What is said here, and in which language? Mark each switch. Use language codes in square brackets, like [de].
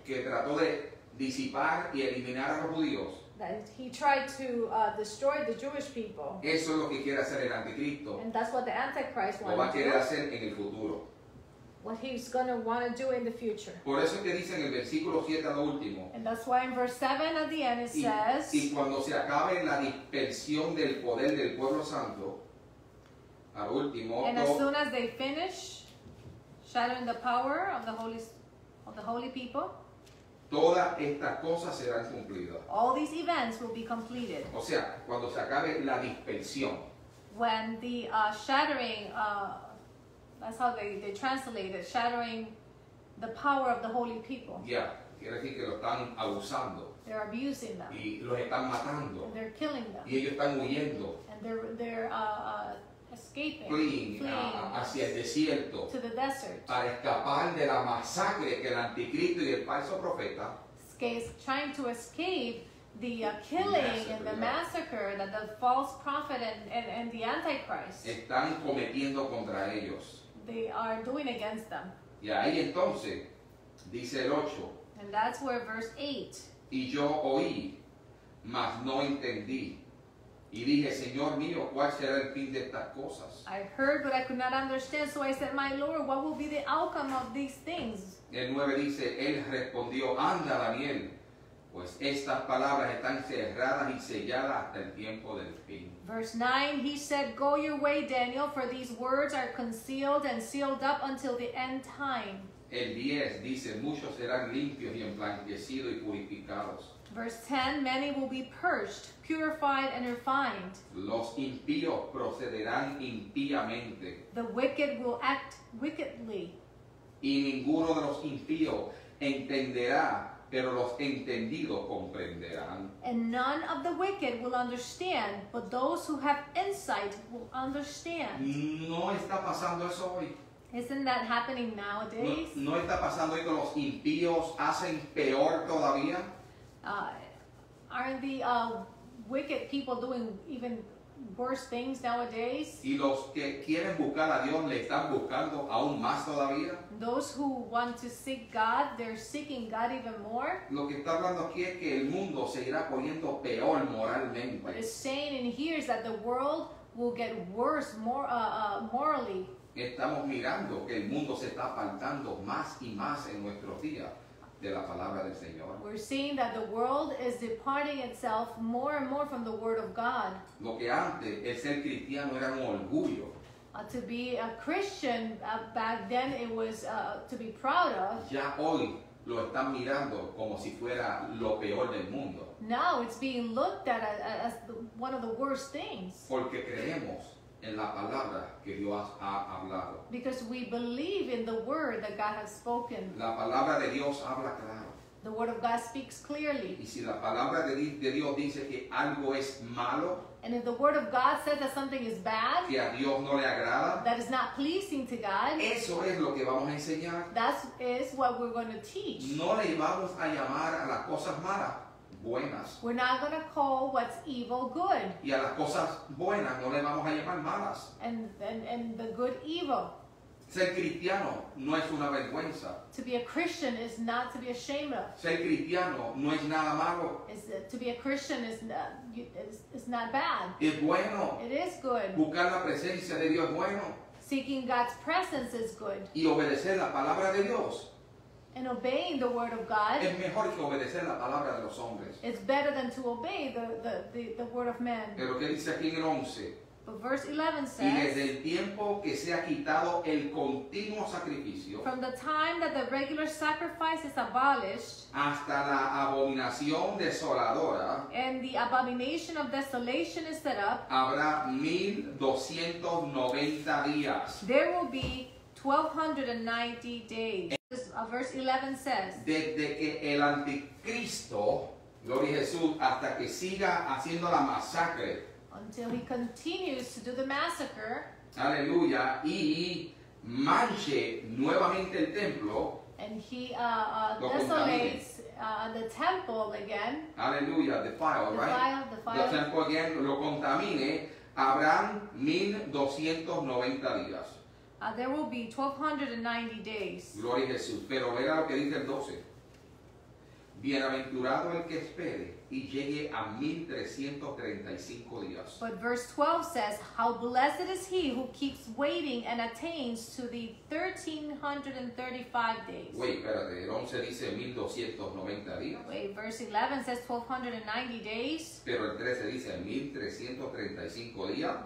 [es] Que trató de disipar y eliminar a los judíos. [en] That he tried to destroy the Jewish people. [es] Eso es lo que quiere hacer el anticristo. [en] And that's what the Antichrist wanted to do. [es] Lo va a querer hacer en el futuro. [en] What he's going to want to do in the future. [es] Por eso es que dice en el versículo 7 al último. [en] And that's why in verse 7 at the end it says. [es] Y cuando se acabe la dispersión del poder del pueblo santo. Al último. [en] And as soon as they finish shattering the power of the holy people. [es] Todas estas cosas serán cumplidas. [en] All these events will be completed. [es] O sea, cuando se acabe la dispersión. [en] When the shattering that's how they translate it, shattering the power of the holy people. [es] Yeah, quiere decir que lo están abusando. [en] They're abusing them. [es] Y los están matando. [en] And they're killing them. [es] Y ellos están huyendo. [en] And they're escaping. Fleeing [es] hacia el desierto. [en] To the desert. [es] Para escapar de la masacre que el anticristo y el falso profeta. [en] Trying to escape the killing massacre, and the massacre that the false prophet and the antichrist. [es] Están cometiendo contra ellos. [en] They are doing against them. [es] Y ahí entonces, dice el 8. [en] And that's where verse 8. [es] Y yo oí, mas no entendí. Y dije, Señor mío, ¿cuál será el fin de estas cosas? [en] I heard, but I could not understand. So I said, my Lord, what will be the outcome of these things? [es] El 9 dice, él respondió, anda, Daniel, pues estas palabras están cerradas y selladas hasta el tiempo del fin. [en] Verse 9, he said, go your way, Daniel, for these words are concealed and sealed up until the end time. [es] El 10 dice, muchos serán limpios y emblanquecidos y purificados. [en] Verse 10, many will be purged, purified and refined. [es] Los impíos procederán impíamente. [en] The wicked will act wickedly. [es] Y ninguno de los impíos entenderá. Pero los entendidos comprenderán. [en] And none of the wicked will understand, but those who have insight will understand. [es] No está pasando eso hoy. [en] Isn't that happening nowadays? [es] No, no está pasando hoy que los impíos hacen peor todavía. [en] Aren't the wicked people doing even worse things nowadays? [es] Y los que quieren buscar a Dios le están buscando aún más todavía. [en] Those who want to seek God, they're seeking God even more. [es] Lo que está hablando aquí es que el mundo se irá poniendo peor moralmente. [en] What it's saying in here is that the world will get worse morally. [es] Estamos mirando que el mundo se está apartando más y más en nuestros días de la palabra del Señor. [en] We're seeing that the world is departing itself more and more from the word of God. [es] Lo que antes el ser cristiano era un orgullo. [en] To be a Christian back then, it was to be proud of. [es] Ya hoy lo están mirando como si fuera lo peor del mundo. [en] Now it's being looked at as one of the worst things. [es] Porque creemos en la palabra que Dios ha hablado. [en] Because we believe in the word that God has spoken. [es] La palabra de Dios habla claro. [en] The word of God speaks clearly. [es] Y si la palabra de Dios dice que algo es malo. [en] And if the word of God says that something is bad, [es] que a Dios no le agrada, [en] that is not pleasing to God, [es] eso es lo que vamos a enseñar. [en] That is what we're going to teach. [es] No le vamos a llamar a las cosas malas buenas. [en] We're not going to call what's evil good. [es] Y a las cosas buenas no le vamos a llamar malas. [en] And the good evil. [es] Ser cristiano no es una vergüenza. [en] To be a Christian is not to be ashamed of. [es] Ser cristiano no es nada malo. [en] To be a Christian is not bad. [es] Es bueno. [en] It is good. [es] Buscar la presencia de Dios es bueno. [en] Seeking God's presence is good. [es] Y obedecer la palabra de Dios. [en] And obeying the word of God. [es] Es mejor que obedecer la palabra de los hombres. [en] It's better than to obey the word of man. [es] Pero ¿qué dice aquí en el 11? [en] But verse 11 says, [es] y desde el tiempo que se ha quitado el continuo sacrificio, [en] from the time that the regular sacrifice is abolished, [es] hasta la abominación desoladora, [en] and the abomination of desolation is set up, [es] habrá 1290 días. [en] There will be 1290 days. Verse 11 says, [es] desde que el anticristo, gloria a Jesús, hasta que siga haciendo la masacre, [en] until he continues to do the massacre. [es] Aleluya. Y manche nuevamente el templo. [en] And he desolates the temple again. Hallelujah, defile. The temple again, [es] lo contamine. Habrán 1290 días. [en] There will be 1290 days. [es] Gloria a Jesús. Pero vea lo que dice el 12. Bienaventurado el que espere y llegue a 1335 días. [en] But verse 12 says, how blessed is he who keeps waiting and attains to the 1335 days. Wait, [es] espérate, el 11 dice 1290 días. [en] Wait, verse 11 says 1290 days. [es] Pero el 13 dice 1335 días.